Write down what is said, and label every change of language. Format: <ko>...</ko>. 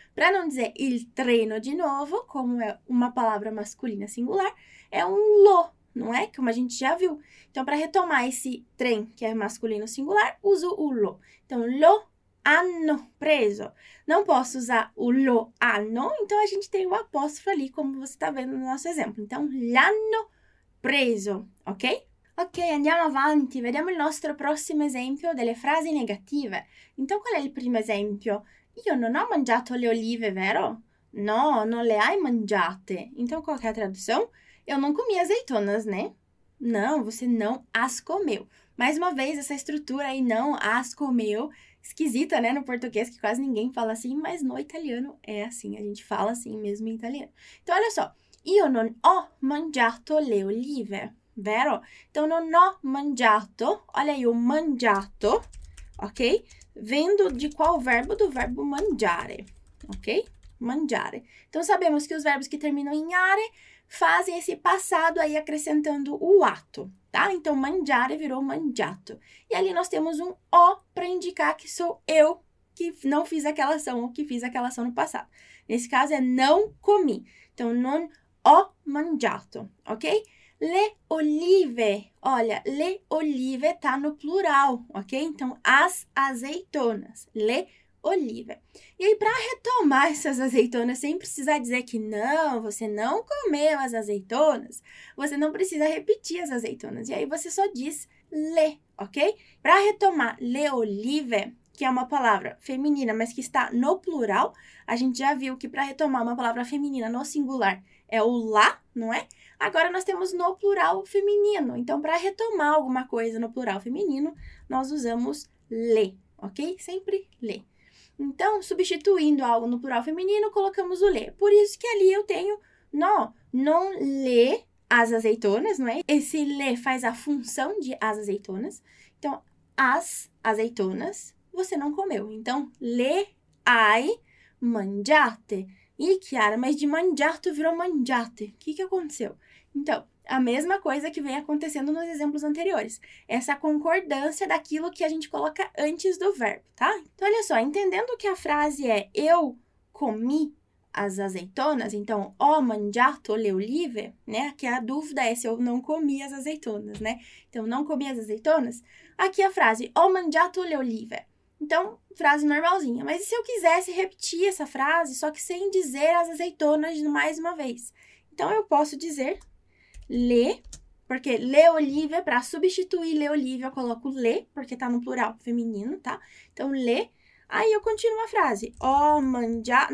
<pt>Para não dizer</pt> <it>il treno</it> <pt>de novo, como é uma palavra masculina singular, é um lo. Não é? Como a gente já viu. Então, para retomar esse trem, que é masculino singular, uso o lo. Então,</pt> <it>lo hanno preso.</it> <pt>Não posso usar o</pt> <it>lo hanno,</it> <pt>então a gente tem o apóstrofo ali, como você está vendo no nosso exemplo. Então,</pt> <it>l'hanno preso, ok? Ok, andiamo avanti. Vediamo il nostro prossimo esempio delle frasi negative. Então, qual è il primo esempio? Io non ho mangiato le olive, vero? No, non le hai mangiate.</it> <pt>Então, qual è a tradução? Eu não comi azeitonas, né? Não, você não as comeu. Mais uma vez, essa estrutura aí, não as comeu. Esquisita, né? No português, que quase ninguém fala assim, mas no italiano é assim. A gente fala assim mesmo em italiano. Então, olha só.</pt> <it>Io non ho mangiato le olive, vero?</it> <pt>Então,</pt> <it>non ho mangiato.</it> <pt>Olha aí o mangiato, ok? Vendo de qual verbo? Do verbo mangiare, ok? Mangiare. Então, sabemos que os verbos que terminam em are fazem esse passado aí acrescentando o ato, tá? Então, mangiare virou mangiato. E ali nós temos um O para indicar que sou eu que não fiz aquela ação ou que fiz aquela ação no passado. Nesse caso, é não comi.</pt> <it>Então, non ho mangiato, ok?</it> <pt>Le olive, olha, le olive tá no plural, ok? Então, as azeitonas,</pt> <it>le olive.</it> <pt>E aí, para retomar essas azeitonas, sem precisar dizer que não, você não comeu as azeitonas, você não precisa repetir as azeitonas. E aí, você só diz le, ok? Para retomar le olive, que é uma palavra feminina, mas que está no plural, a gente já viu que para retomar uma palavra feminina no singular é o la, não é? Agora nós temos no plural feminino. Então, para retomar alguma coisa no plural feminino, nós usamos le, ok? Sempre le. Então, substituindo algo no plural feminino, colocamos o le. Por isso que ali eu tenho no,</pt> <it>non le</it> <pt>as azeitonas, não é? Esse le faz a função de as azeitonas. Então, as azeitonas você não comeu.</pt> <it>Então, le hai mangiate.</it> <pt>Ih, Chiara, mas de mangiato virou mangiate. O que aconteceu? Então, a mesma coisa que vem acontecendo nos exemplos anteriores. Essa concordância daquilo que a gente coloca antes do verbo, tá? Então, olha só, entendendo que a frase é eu comi as azeitonas, então,</pt> <it>ho mangiato le olive,</it> <pt>né? Aqui a dúvida é se eu não comi as azeitonas, né? Então, não comi as azeitonas.</pt> <it>Aqui a frase, ho mangiato le olive.</it> <pt>Então, frase normalzinha. Mas e se eu quisesse repetir essa frase, só que sem dizer as azeitonas mais uma vez? Então, eu posso dizer le, porque</pt> <it>le olive,</it> <pt>para substituir le olive, eu coloco le, porque tá no plural feminino, tá? Então, le. Aí eu continuo a frase.</pt> <it>Ho mangiato.</it>